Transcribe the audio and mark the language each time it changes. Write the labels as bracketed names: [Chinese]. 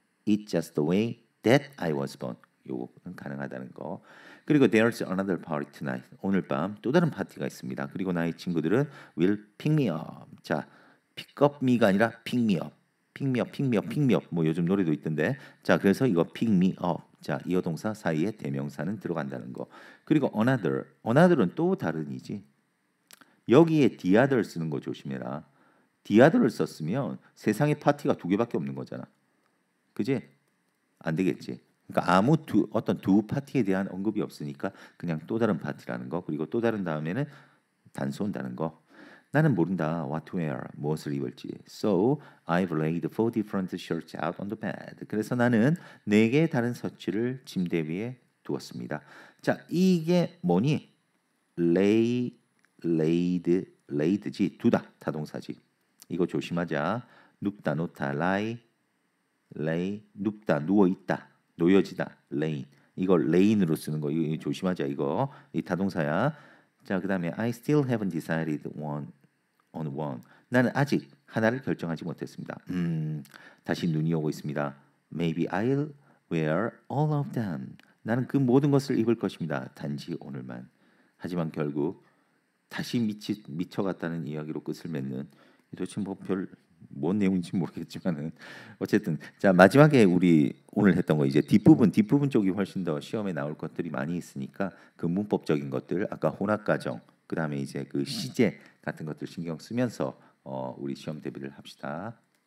[English] It's just the way that I was born. [Korean] 요거는 가능하다는 거. [English] 그리고 there's another party tonight. [Korean] 오늘 밤 또 다른 파티가 있습니다. 그리고 나의 친구들은 [English] will pick me up. 자, pick up me [Korean] 가 아니라 [English] pick me up. Pick me up, pick me up, pick me up. [Korean] 뭐 요즘 노래도 있던데. 자, 그래서 이거 pick me up. 자, 이어 동사 사이에 대명사는 들어간다는 거. 그리고 another. another은 또 다른이지. 여기에 the other 쓰는 거 조심해라. the other를 썼으면 세상에 파티가 두 개밖에 없는 거잖아. 그지? 안 되겠지. 그러니까 아무 어떤 두 파티에 대한 언급이 없으니까 그냥 또 다른 파티라는 거. 그리고 또 다른 다음에는 단서 온다는 거. 나는 모른다. [English] What to wear. [Korean] 무엇을 입을지. [English] So I've laid four different shirts out on the bed. [Korean] 그래서 나는 네 개의 다른 셔츠를 침대 위에 두었습니다. 자, 이게 뭐니? Lay, laid, laid지. 두다. 타동사지. 이거 조심하자. 눕다, 놓다. Lie, lay, 눕다, 누워있다. 놓여지다. Lain. 이거 lain으로 쓰는 거. 이거 조심하자. 이거. 이 타동사야. [English] 자, 그 다음에 I still haven't decided one on one. [Korean] 나는 아직 하나를 결정하지 못했습니다. 다시 눈이 오고 있습니다. [English] Maybe I'll wear all of them. [Korean] 나는 그 모든 것을 입을 것입니다. 단지 오늘만. 하지만 결국 다시 미쳐갔다는 이야기로 끝을 맺는 도대체 뭐 별... 뭔 내용인지 모르겠지만은 어쨌든 자 마지막에 우리 오늘 했던 거 이제 뒷부분 쪽이 훨씬 더 시험에 나올 것들이 많이 있으니까 그 문법적인 것들 아까 혼합과정 그 다음에 이제 그 시제 같은 것들 신경 쓰면서 우리 시험 대비를 합시다.